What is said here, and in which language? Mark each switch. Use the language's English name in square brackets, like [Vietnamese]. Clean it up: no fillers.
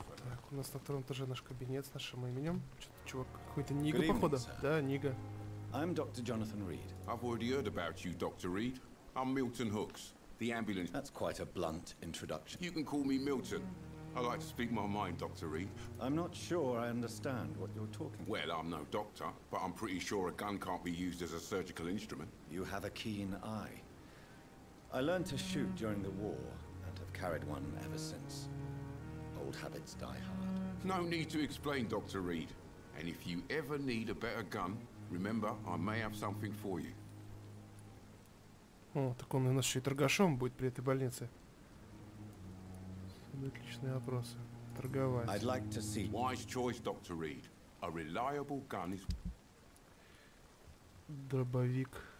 [Russian] Так, у нас на втором этаже наш кабинет с нашим именем. Что-то, чувак, какой-то Нига, походу. Да, Нига. [English] I'm Dr. Jonathan Reed. I've already heard about you, Dr. Reed. I'm Milton Hooks, the ambulance... That's quite a blunt introduction. You can call me Milton. I like to speak my mind, Dr. Reed. I'm not sure I understand what you're talking about. Well, I'm no doctor, but I'm pretty sure a gun can't be used as a surgical instrument. You have a keen eye. I learned to shoot during the war and have carried one ever since. Old habits die hard. No need to explain, Dr. Reed. And if you ever need a better gun, remember, I may have something for you. [Russian] О, так он у нас еще и торгашом будет при этой больнице. Отличные вопросы. Торговать. [English] I'd like to see. Wise choice, Dr. Reed. A reliable gun is... [Russian] Дробовик.